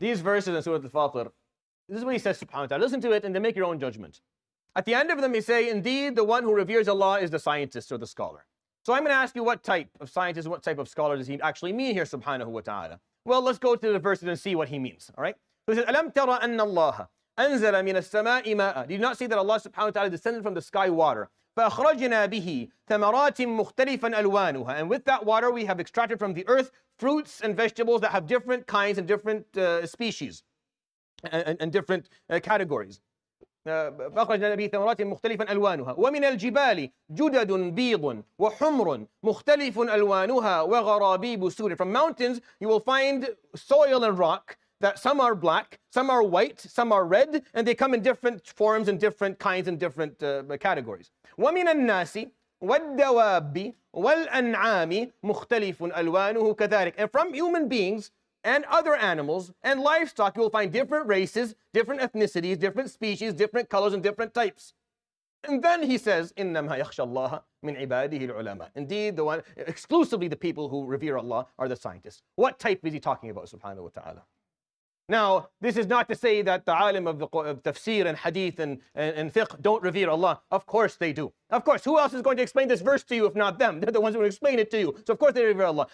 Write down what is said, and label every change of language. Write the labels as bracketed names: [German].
[English] These verses in Surah Al-Fatir, this is what he says, subhanahu wa ta'ala. Listen to it and then make your own judgment. At the end of them, he say, indeed, the one who reveres Allah is the scientist or the scholar. So I'm going to ask you, what type of scientist and what type of scholar does he actually mean here, subhanahu wa ta'ala? Well, let's go to the verses and see what he means, all right? So he says, [Arabic] أَلَمْ تَرَ أَنَّ اللَّهَ أَنزَلَ مِنَ السَّمَاءِ مَاءً. [English] Did you not see that Allah subhanahu wa ta'ala descended from the sky water? [Arabic] فَأَخْرَجْنَا بِهِ ثَمَرَاتٍ مُخْتَلِفًا أَلْوَانُهَا. [English] And with that water, we have extracted from the earth fruits and vegetables that have different kinds and different species and different categories. [Arabic] فَأَخْرَجْنَا بِهِ ثَمَرَاتٍ مُخْتَلِفًا أَلْوَانُهَا. وَمِنَ الْجِبَالِ جُدَدٌ بِيضٌ وَحُمْرٌ مُخْتَلِفٌ أَلْوَانُهَا وَغَرَابِيبُ سُودٍ. [English] From mountains, you will find soil and rock that some are black, some are white, some are red, and they come in different forms and different kinds and different categories. [Arabic] وَمِنَ النَّاسِ وَالدَّوَابِ وَالْأَنْعَامِ مُخْتَلِفٌ أَلْوَانُهُ كَذَلِكَ. [English] And from human beings and other animals and livestock, you will find different races, different ethnicities, different species, different colors, and different types. And then he says, [Arabic] إِنَّمَا يَخْشَى اللَّهَ مِنْ عِبَادِهِ الْعُلَمَاءِ. [English] Indeed, the one, exclusively the people who revere Allah are the scientists. What type is he talking about, subhanahu wa ta'ala? Now, this is not to say that the alim of tafsir and hadith and fiqh don't revere Allah. Of course they do. Of course, who else is going to explain this verse to you if not them? They're the ones who will explain it to you. So of course they revere Allah.